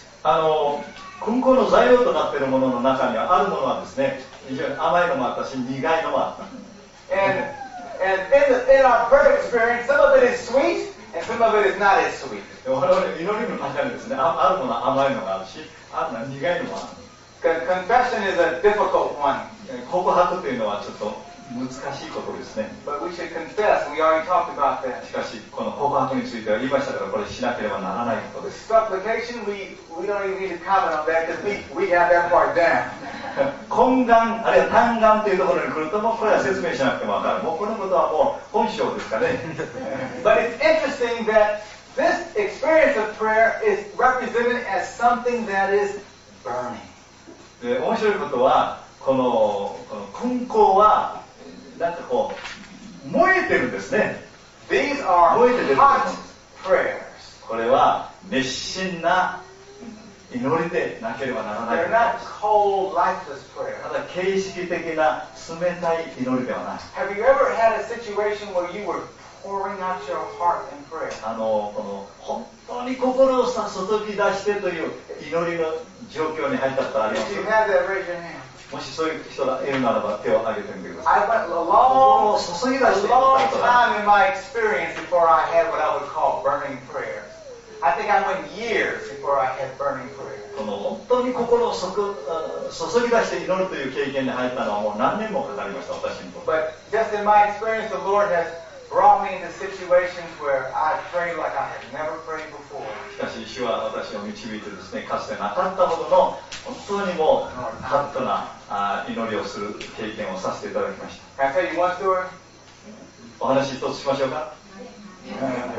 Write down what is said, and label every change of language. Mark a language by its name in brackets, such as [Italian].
[Japanese] 燻香の材料となっているものの中にはあるものはですね、非常に甘いのもあったし、苦いのもあった。 [English] And in our prayer experience, some of it is sweet and some of it is not as sweet. [Japanese] 我々祈りの中にですね、あるものは甘いのがあるし、あるのは苦いのもある。 [English] Confession is a difficult one. [Japanese] 告白というのはちょっと難しいことですね。 [English] But we should confess. We already talked about that. [Japanese] しかし、この告白については言いましたから、これしなければならないことです。 [English] Supplication, we don't even need to comment on that because we have that part down. [Japanese] 懇願、あるいは嘆願というところに来ると、もうこれは説明しなくても分かる。もうこのことはもう本性ですかね。 [English] But it's interesting that this experience of prayer is represented as something that is burning. [Japanese] で面白いことはこの燻香はなんかこう燃えてるんですね。 [English] These are [Japanese] 燃えてる [English] hot prayers. [Japanese] これは熱心な祈りでなければならない。 [English] They're not cold, lifeless prayer. [Japanese] ただ形式的な冷たい祈りではない。 [English] Have you ever had a situation where you were pouring out your heart in prayer? [Japanese] この本当に心をさ注ぎ出してという祈りの状況に入ったことあります。 [English] If you have that, raise your hand. [Japanese] もしそういう人がいるならば手を挙げてみてください。 [English] I went a long, time in my experience before I had what I would call burning prayers. I think I went years before I had burning prayers. [Japanese] この本当に心を注ぎ出して祈るという経験に入ったのはもう何年もかかりました、私にとって。 [English] But just in my experience, the Lord has brought me into situations where I prayed like I had never prayed before. [Japanese] しかし主は私を導いてですね、かつてなかったほどの本当にもうハッとな祈りをする経験をさせていただきました。 [English] Can I tell you one story? [Japanese] お話一つしましょうか。